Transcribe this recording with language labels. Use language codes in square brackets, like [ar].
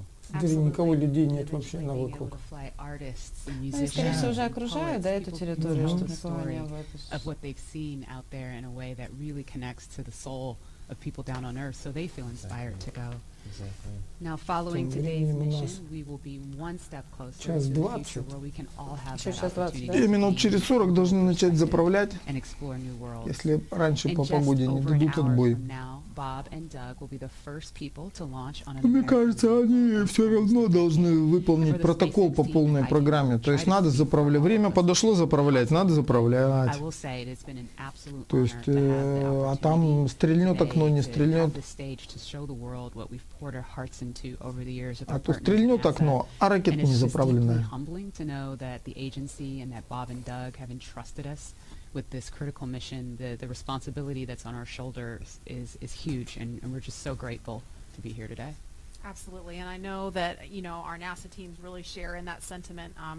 [ru] Никого людей нет вообще на вокруг. Они, скорее всего, уже окружают, да, эту территорию, чтобы они об этом. [en] of people down on Earth, so they feel inspired exactly. to go. Exactly. Now, following today's mission, we will be one step closer to the future where we can all have the opportunity to be connected and explore new worlds. And just over an hour from now, Bob and Doug will be the first people to launch on an American mission. [ru] Мне кажется, они все равно должны выполнить протокол по полной программе. То есть надо заправлять. Время подошло заправлять, надо заправлять. [en] I will say it has been an absolute honor to have the opportunity. [ru] А там стрельнет окно, не стрельнет. [en] To have the stage to show the world what we've poured our hearts into over the years. [ru] А то стрельнет окно, а ракета не заправленная. [en] And it's humbling to know that the agency and that Bob and Doug have entrusted us with this critical mission, the responsibility that's on our shoulders is huge, and we're just so grateful to be here today. Absolutely, and I know that, you know, our NASA teams really share in that sentiment.